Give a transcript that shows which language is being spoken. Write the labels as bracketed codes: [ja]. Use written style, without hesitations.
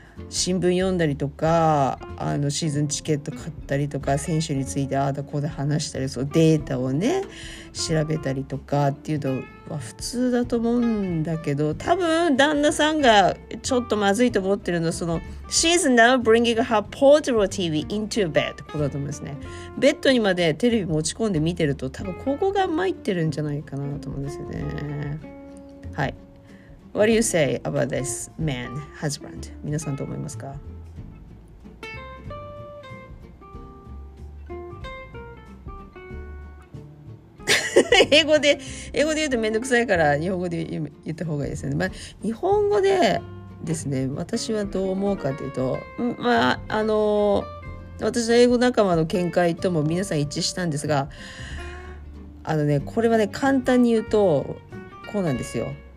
[ja] 新聞読んだりとか、シーズンチケット買ったりとか、選手についてああだこうだ話したり、そうデータをね調べたりとかっていうのは普通だと思うんだけど、多分旦那さんがちょっとまずいと思ってるのは、その [en] She's now bringing her portable TV into bed [ja] ってことだと思うんですね。ベッドにまでテレビ持ち込んで見てると、多分ここが参ってるんじゃないかなと思うんですよね。 [en] はい、What do you say about this man, husband? [ja] 皆さんどう思いますか？英語で言うとめんどくさいから日本語で言った方がいいですよね。まあ、日本語でですね、私はどう思うかというと、まあ私の英語仲間の見解とも皆さん一致したんですが、これはね簡単に言うとこうなんですよ。